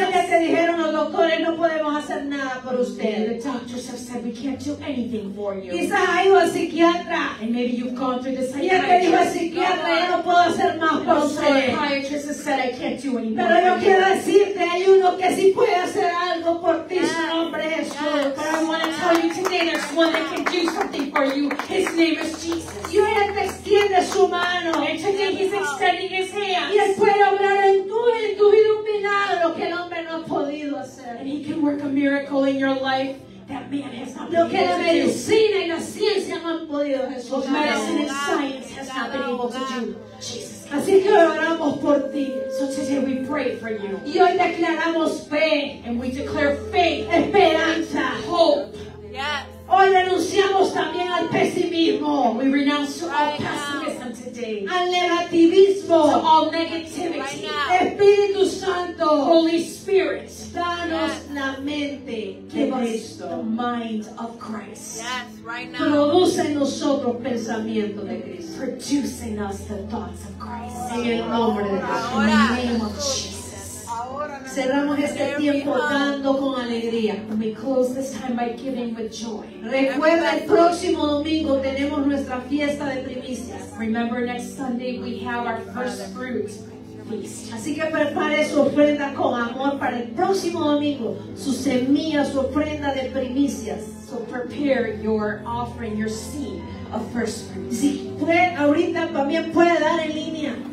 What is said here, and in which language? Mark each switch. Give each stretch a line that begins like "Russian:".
Spanish: Quizás ya te dijeron los doctores, no podemos hacer nada por usted.
English: The doctors have said we can't do anything for you.
Spanish: Quizás ha ido al psiquiatra.
English: And maybe you've gone through the psychiatrist.
Spanish: Ya te dijo el psiquiatra, yo no puedo hacer más por usted.
English: The psychiatrist has said I can't do anything.
Spanish: Pero yo quiero decirte, hay uno que sí puede hacer algo por ti. Su nombre es Jesús.
English: But I want to tell you today, there's one that can do something for you. His name is Jesus.
Spanish: Y hoy él te extiende su mano.
English: And today he's extending his hands.
Spanish: Y él puede obrar en tu vida un milagro que el hombre no ha podido hacer.
English: And he can work a miracle in your life that man has not been able to do.
Spanish: Lo que la medicina y la ciencia no han podido hacer.
English: Medicine and science has not been able to do. Jesus.
Spanish: Así que oramos por ti.
English: So today we pray for you.
Spanish: Y hoy declaramos fe.
English: And we declare faith.
Spanish: Esperanza.
English: Hope. Yes.
Spanish: Hoy renunciamos también al pesimismo.
English: We renounce to all pessimism today.
Spanish: Al negativismo.
English: To all negativity. Right now.
Spanish: Espíritu Santo.
English: Holy Spirit.
Spanish: Danos la mente de Cristo.
English: The mind of Christ. Yes, right now.
Spanish: Produce en nosotros pensamiento de Cristo.
English: Producing us the thoughts of Christ.
Spanish: En el nombre de Jesús. Ahora.
English: In the name of Jesus.
Spanish: Cerramos este tiempo dando con alegría.
English: And we close this time by giving with joy.
Spanish: Recuerda, el próximo domingo tenemos nuestra fiesta de primicias.
English: Remember, next Sunday we have our first fruit feast.
Spanish: Así que prepare su ofrenda con amor para el próximo domingo. Su semilla, su ofrenda de primicias.
English: So prepare your offering, your seed of first fruits.
Spanish: Sí, puede, ahorita también puede dar en línea.